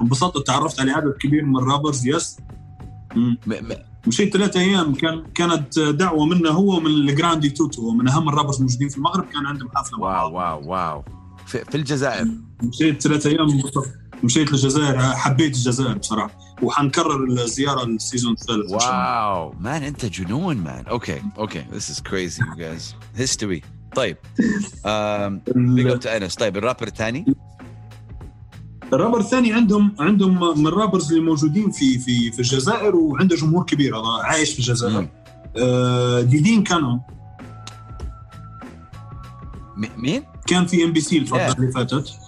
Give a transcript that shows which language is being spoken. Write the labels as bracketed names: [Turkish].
[Arabic] انبسطت، تعرفت على عدد كبير من الرابرز. يس. مشيت ثلاثة أيام، كانت دعوة منه هو ومن الجراندي توتو، من أهم الرابرز موجودين في المغرب، كان عندهم حفلة. واو واو واو. في الجزائر. مشيت ثلاثة أيام انبسطت، مشيت للجزائر، حبيت الجزائر بصراحة. وحنكرر الزيارة للسيزون الثالث. واو مان أنت جنون مان. [English] Okay okay this is crazy you guys history. [Arabic] طيب بيقول أنس. طيب الرابر الثاني، الرابر الثاني عندهم من الرابرز اللي موجودين في في في الجزائر وعنده جمهور كبير عايش في الجزائر. ديدين كانوا مين؟ كان في ام بي سي الفترة اللي فاتت.